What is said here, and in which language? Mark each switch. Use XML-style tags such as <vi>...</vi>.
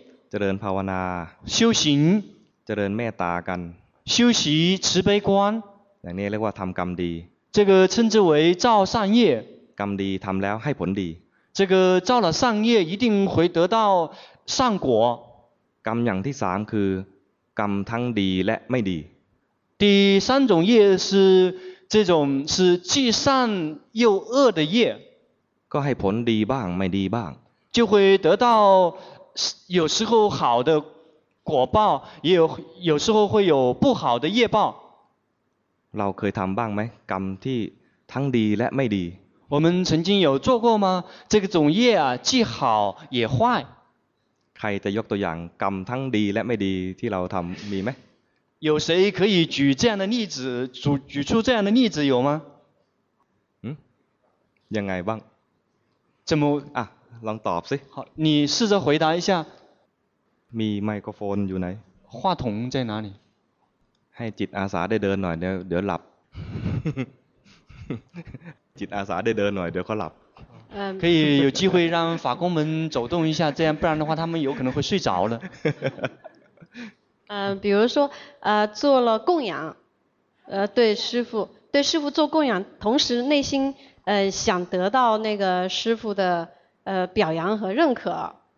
<th>เจริญภาวนา</th> <zh>修行</zh> <th>เจริญเมตตากัน</th> <zh>修习慈悲观</zh> <th>อย่างนี้เรียกว่าทำกรรมดี</th> <zh>这个称之为造善业</zh> <th>กรรมดีทำแล้วให้ผลดี</th> <zh>这个造了善业一定会得到善果。</zh> <th>กรรมอย่างที่สามคือกรรมทั้งดีและไม่ดี。</th> <zh>第三种业是这种是既善又恶的业。</zh> <th>ก็ให้ผลดีบ้างไม่ดีบ้าง。</th> <zh>就会得到有时候好的果报，也有时候会有不好的业报。</zh> <th>เราเคยทำบ้างไหมกรรมที่ทั้งดีและไม่ดี。</th> <zh>我们曾经有做过吗？这个种业啊，既好也坏。</zh> <th>ใครจะยกตัวอย่างกรรมทั้งดีและไม่ดีที่เราทำมีไหม？</th> <zh>有谁可以举这样的例子？举出这样的例子有吗？</zh> <th>ยังไงบ้าง？</th> <zh>怎么</zh> <th>啊？ลองตอบสิ。</th> <zh>好，你试着回答一下。</zh> <th>มีไมโครโฟนอยู่ไหน？</th> <zh>话筒在哪里？ ฮ</zh> <th>ให้จิตอาสาได้เดินหน่อยเดี๋ยวหลับ จิตอาสาได้เดินหน่อยเดี๋ยวเขาหลับ</th> <zh>可以有机会让法工们走动一下，这样不然的话，他们有可能会睡着了。嗯，比如说，做了供养，对师父做供养，同时内心想得到那个师父的表扬和认可。</zh>